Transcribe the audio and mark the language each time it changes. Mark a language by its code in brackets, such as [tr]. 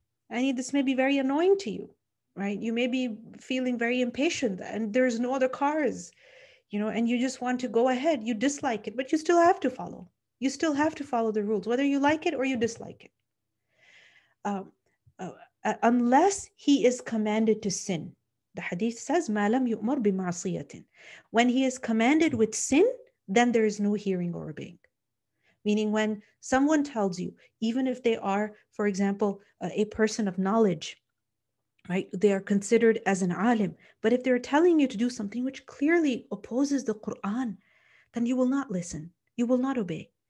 [en] I mean, this may be very annoying to you, right? You may be feeling very impatient and there's no other cars, you know, and you just want to go ahead. You dislike it, but you still have to follow. You still have to follow the rules, whether you like it or you dislike it. Unless he is commanded to sin. The hadith says, [ar] مَا لَمْ يُؤْمَرْ بِمَعْصِيَةٍ. [en] When he is commanded with sin, then there is no hearing or obeying. Meaning when someone tells you, even if they are, for example, a person of knowledge, right? They are considered as an alim. But if they're telling you to do something which clearly opposes the Quran, then you will not listen. You will not obey.